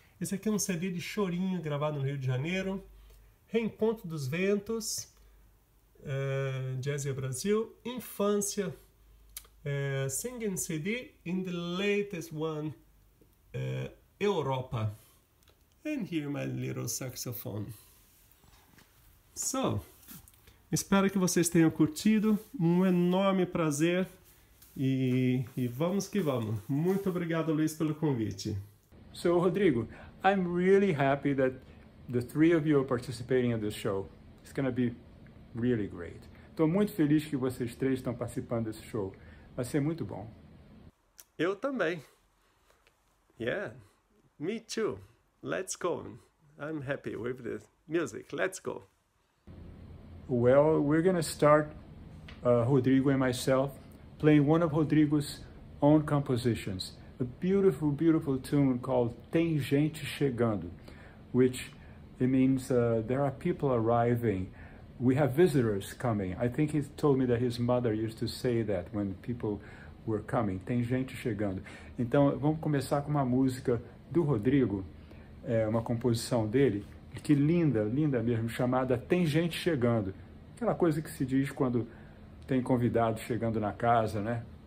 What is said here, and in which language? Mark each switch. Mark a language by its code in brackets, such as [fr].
[pt] Esse aqui é um CD de chorinho gravado no Rio de Janeiro, Reencontro dos Ventos, Jazz Brasil, Infância, Singing CD, in the latest one, Europa. [en] And here my little saxophone. [pt] So, espero que vocês tenham curtido, um enorme prazer e vamos que vamos. Muito obrigado, Luiz, pelo convite. [en] So, Rodrigo, I'm really happy that the three of you are participating in this show. It's going to be really great. [pt] Estou muito feliz que vocês três estão participando desse show. Vai ser muito bom. [en] Eu também. Yeah, me too. Let's go. I'm happy with the music. Let's go. Well, we're going to start, Rodrigo and myself, playing one of Rodrigo's own compositions. A beautiful, beautiful tune called Tem Gente Chegando, which it means there are people arriving. We have visitors coming. I think he told me that his mother used to say that when people were coming. [pt] Tem gente chegando. Então, vamos começar com uma música do Rodrigo, uma composição dele, que linda, linda mesmo, chamada Tem Gente Chegando. Aquela coisa que se diz quando tem convidado chegando na casa, né?